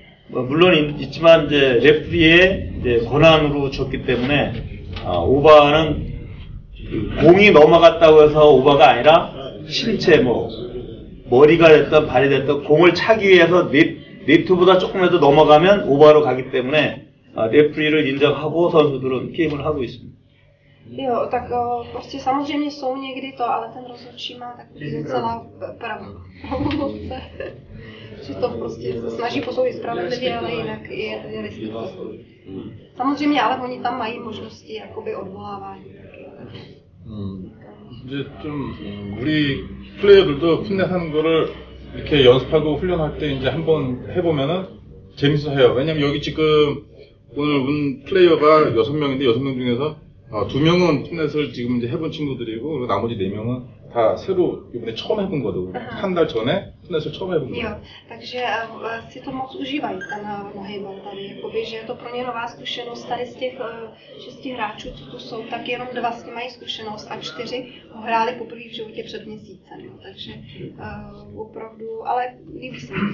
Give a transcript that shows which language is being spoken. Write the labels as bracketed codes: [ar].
[ko] 뭐 물론 있지만 이제 레프리의 이제 권한으로 줬기 때문에 오바는 공이 넘어갔다고 해서 오바가 아니라 신체 뭐 머리가 됐던 발이 됐던 공을 차기 위해서 네트보다 조금이라도 넘어가면 오바로 가기 때문에 레프리를 인정하고 선수들은 게임을 하고 있습니다. 요, 딱 [cs] prostě samozřejmě jsou někdy to, ale ten rozhodčí má takovou celá pravomoc. Že to prostě se snaží posoudit spravedlivě, ale jinak je riskový postup. Samozřejmě, ale oni tam mají možnosti jakoby odvolávání. [ko] 이제 좀 우리 플레이어들도 풋넷하는 거를 이렇게 연습하고 훈련할 때 이제 한번 해보면은 재밌어해요. 왜냐면 여기 지금 오늘 온 플레이어가 6명인데 6명 중에서 2명은 풋넷을 지금 이제 해본 친구들이고 그리고 나머지 4명은 다 새로 이번에 처음 해본 거거든. 한 달 전에 풋넷을 처음 해본 거. 그래서 [cs] si to moc užívají ten pohybal tady, jakoby, že je to pro ně nová zkušenost tady z těch 6 hráčů, co tu jsou, tak jenom 2 s tím mají zkušenost a 4 ho hráli poprvé v životě před měsícem. Jo. Takže opravdu, ale líbí se.